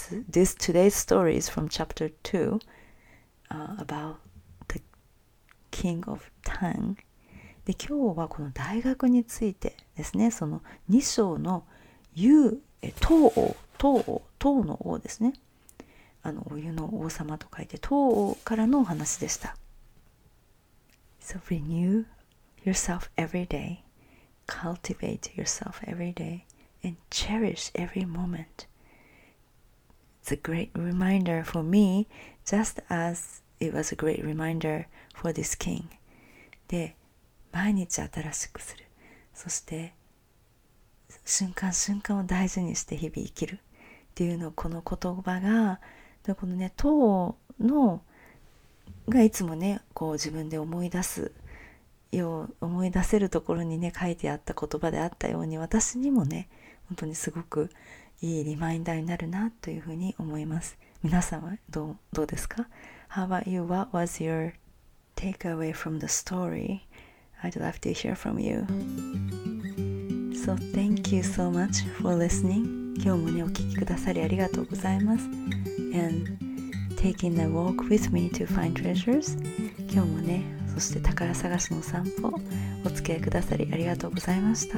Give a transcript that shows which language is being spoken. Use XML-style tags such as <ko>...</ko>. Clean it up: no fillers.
<en>This today's story is from chapter 2, about the king of Tang.</en> <ja>で、今日はこの大学についてですね、その2章の唐の王ですね。お湯の王様と書いて、唐王からのお話でした。</ja> <en>So renew yourself every day, cultivate yourself every day, and cherish every moment. It's a great reminder for me, just as it was a great reminder for this king.</en> <ja>で、毎日新しくする。そして、瞬間瞬間を大事にして日々生きるっていうのをこの言葉がでこのね唐のがいつもねこう自分で思い出すよう思い出せるところにね書いてあった言葉であったように私にもね本当にすごくいいリマインダーになるなというふうに思います。皆さんはどうですか?</ja> <en>How about you? What was your takeaway from the story? I'd love to hear from you. So thank you so much for listening.</en> <ja>今日もね、お聞きくださりありがとうございます。</ja> <en>And taking a walk with me to find treasures.</en> <ja>今日もね、そして宝探しの散歩、お付き合いくださりありがとうございました。</ja>